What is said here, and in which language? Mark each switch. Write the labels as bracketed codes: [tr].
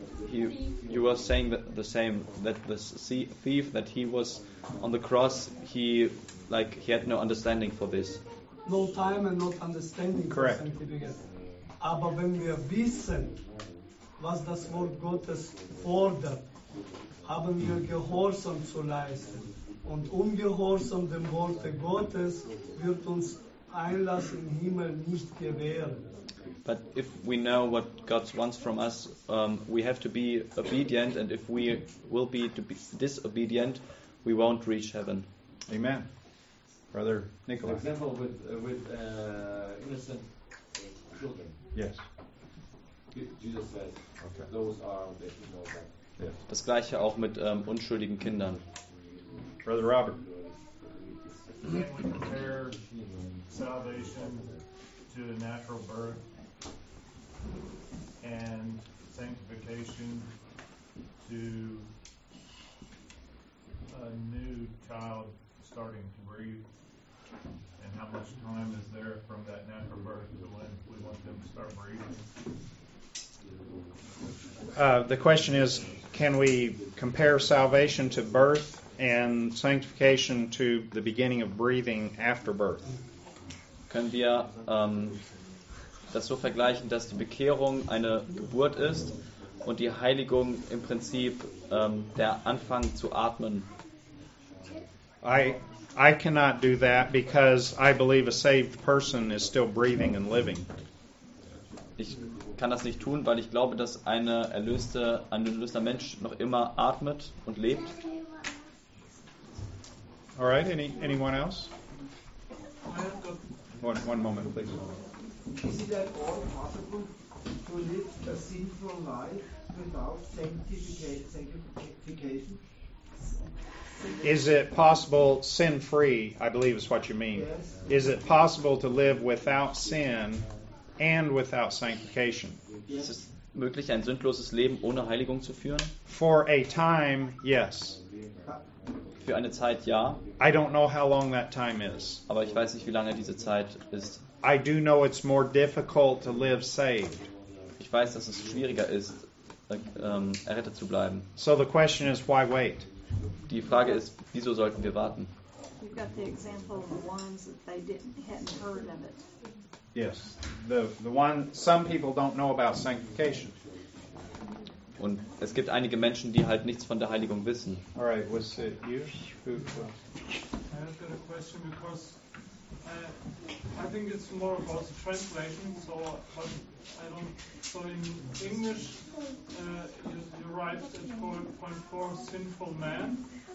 [en] You were saying the same, that the thief, that he was on the cross, he had no understanding for this. No time and not understanding. Correct. [de] Aber wenn wir wissen, was das Wort Gottes fordert, haben wir Gehorsam zu leisten. Und ungehorsam dem Wort Gottes wird uns Einlass im Himmel nicht gewähren. [en] But if we know what God wants from us, we have to be obedient, and if we will be disobedient, we won't reach heaven. Amen. Brother Nicholas. For example, with innocent children. Yes. Jesus says, okay. Those are the people of God. [de] Das gleiche auch mit unschuldigen Kindern. [en] Brother Robert. Can we compare salvation to a natural birth and sanctification to a new child starting to breathe? And how much time is there from that natural birth to when we want them to start breathing? The question is, can we compare salvation to birth and sanctification to the beginning of breathing after birth? [de] Können wir das so vergleichen, dass die Bekehrung eine Geburt ist und die Heiligung im Prinzip der Anfang zu atmen? [en] I cannot do that because I believe a saved person is still breathing and living. [de] Ich kann das nicht tun, weil ich glaube, dass ein erlöster Mensch noch immer atmet und lebt. [en] All right, anyone else? One moment, please. Is it at all possible to live a sinful life without sanctification? Is it possible, sin-free, I believe is what you mean. Yes. Is it possible to live without sin and without sanctification? [de] Ist es möglich, ein sündloses Leben ohne Heiligung zu führen? [en] For a time, yes. [de] Für eine Zeit, ja. [en] I don't know how long that time is. [de] Aber ich weiß nicht, wie lange diese Zeit ist. [en] I do know it's more difficult to live saved. [de] Ich weiß, dass es schwieriger ist, errettet zu bleiben. [en] So the question is, why wait? [de] Die Frage ist, wieso sollten wir warten? [en] You've got the example of the ones that they hadn't heard of it. Yes, the one some people don't know about sanctification. [de] Und es gibt einige Menschen, die halt nichts von der Heiligung wissen. [en] All right, was it you? Who? I've got a question because I think it's more about the translation. So I don't. So in English, you write at 4.4 sinful man.